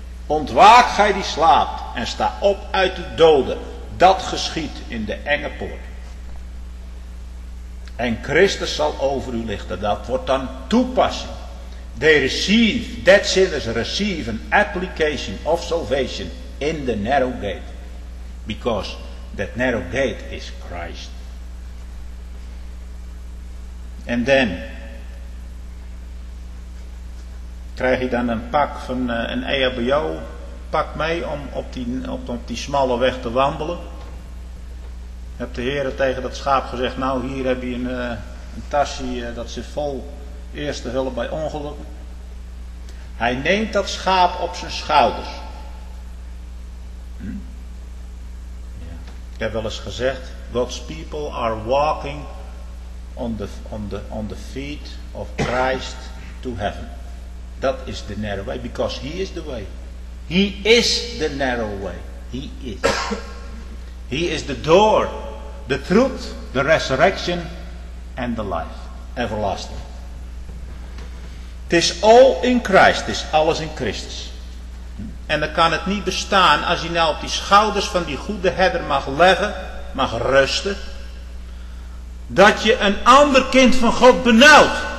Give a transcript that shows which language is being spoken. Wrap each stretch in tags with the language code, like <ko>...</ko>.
<nl>Ontwaak gij die slaapt en sta op uit de doden. Dat geschiet in de enge poort. En Christus zal over u lichten. Dat wordt dan toepassing.</nl> <en>They receive, dead sinners receive an application of salvation in the narrow gate. Because that narrow gate is Christ. And then</en> <nl>krijg je dan een pak van een EHBO pak mee om op die smalle weg te wandelen. Heb de Heer tegen dat schaap gezegd, nou hier heb je een tasje dat zit vol eerste hulp bij ongeluk. Hij neemt dat schaap op zijn schouders. Ik heb wel eens gezegd,</nl> <en>God's people are walking on the feet of Christ to heaven. That is the narrow way, because He is the way. He is the narrow way. He is. He is the door, the truth, the resurrection, and the life. Everlasting.</en> <nl>Het is</nl> <en>all in Christ.</en> <nl>Het is alles in Christus. En dan kan het niet bestaan als je nou op die schouders van die goede herder mag leggen, mag rusten, dat je een ander kind van God benauwt.</nl>